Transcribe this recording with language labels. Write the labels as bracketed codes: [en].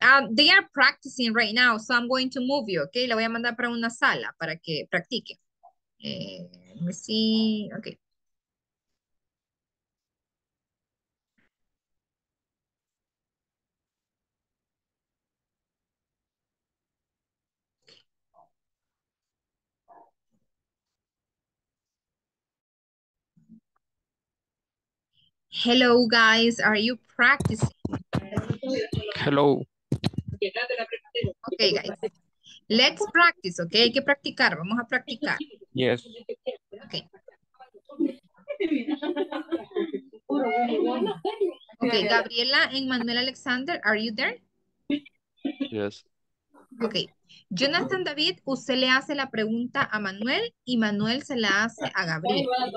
[en] They are practicing right now, so I'm going to move you, okay? [es] La voy a mandar para una sala para que practique. [en] Let me see, okay. Hello, guys. Are you practicing? Hello. Okay, guys. Let's practice, okay? [es] Hay que practicar. Vamos a practicar. [en] Yes. Okay. Okay, Gabriela and Manuel Alexander, are you there? Yes. Okay. [es] Jonathan David, usted le hace la pregunta a Manuel y Manuel se la hace a Gabriel.